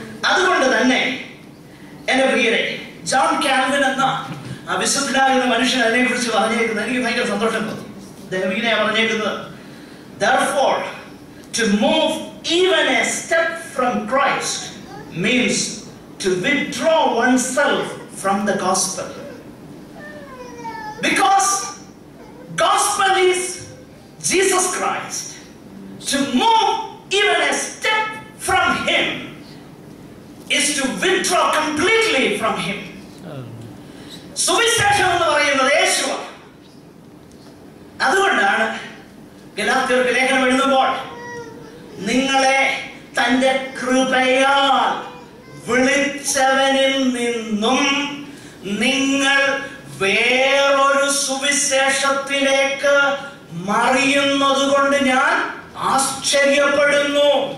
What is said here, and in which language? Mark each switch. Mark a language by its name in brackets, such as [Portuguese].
[Malayalam] അതുകൊണ്ട് തന്നെ എന്റെ പ്രിയരെ, ജോൺ കാൽവിൻ എന്ന അവിശുദ്ധനായ മനുഷ്യൻ അതിനെ കുറിച്ച് പറഞ്ഞേക്കുന്നത് എനിക്ക് ഭയങ്കര സന്തോഷം തോന്നി. അദ്ദേഹം ഇങ്ങനെ പറഞ്ഞേക്കുന്നത്, [English] therefore to move even a step from Christ means to withdraw oneself from the gospel. Because gospel is Jesus Christ. To move even a step from him is to withdraw completely from him. [Malayalam] സുവിശേഷം എന്ന് പറയുന്നത് യേശു. അതുകൊണ്ടാണ് ഗലാത്യർക്ക് ലേഖനം എഴുതുമ്പോൾ നിങ്ങളെ തന്റെ കൃപയാൽ വിളിച്ചവനിൽ നിന്നും നിങ്ങൾ വേറൊരു സുവിശേഷത്തിലേക്ക് മറിയുന്നത് കൊണ്ട് ഞാൻ ആശ്ചര്യപ്പെടുന്നു.